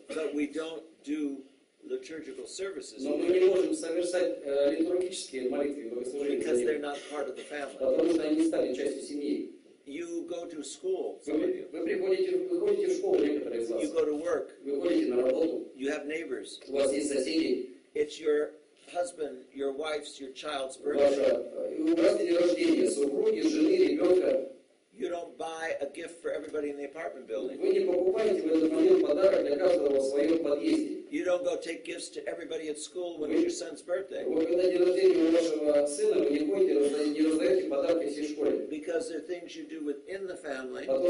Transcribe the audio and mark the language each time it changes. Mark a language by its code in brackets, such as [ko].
[en] But we don't do liturgical services. [ru] Но мы не можем совершать литургические молитвы, богослужения. [en] Because they're not part of the family. [ru] Потому что они не стали частью семьи. [en] You go to school. [ru] Вы приходите в школу, некоторые из вас. [en] You go to work. [ru] Вы ходите на работу. [en] You have neighbors. [ru] У вас есть соседи. [en] It's your husband, your wife's, your child's birthday. [ru] У вас день рождения, супруги, жены, ребенка. [en] You don't buy a gift for everybody in the apartment building. [ru] Вы не покупаете в этот момент подарок для каждого в своем подъезде. [en] You don't go take gifts to everybody at school when it's your son's birthday. Because there are things you do within the family.